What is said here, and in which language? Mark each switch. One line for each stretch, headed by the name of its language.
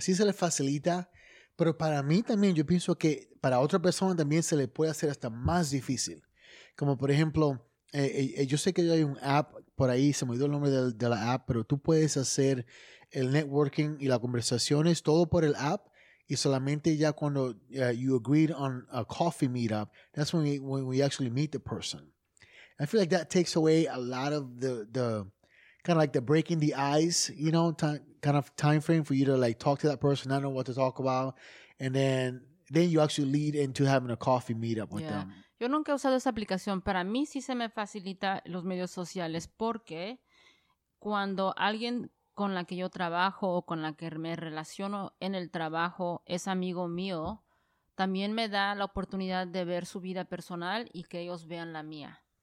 Spanish: Sí se le facilita, pero para mí también, yo pienso que para otra persona también se le puede hacer hasta más difícil. Como por ejemplo, yo sé que hay un app por ahí, se me olvidó el nombre de la app, pero tú puedes hacer el networking y las conversaciones todo por el app y solamente ya cuando
English: you agreed on a coffee meetup, that's when we actually meet the person. I feel like that takes away a lot of the kind of like the breaking the ice, you know, kind of time frame for you to like talk to that person, not know what to talk about, and then you actually lead into having a coffee meetup with them.
Spanish: Yo nunca he usado esa aplicación. Para mí sí se me facilita los medios sociales porque cuando alguien con la que yo trabajo o con la que me relaciono en el trabajo es amigo mío, también me da la oportunidad de ver su vida personal y que ellos vean la mía.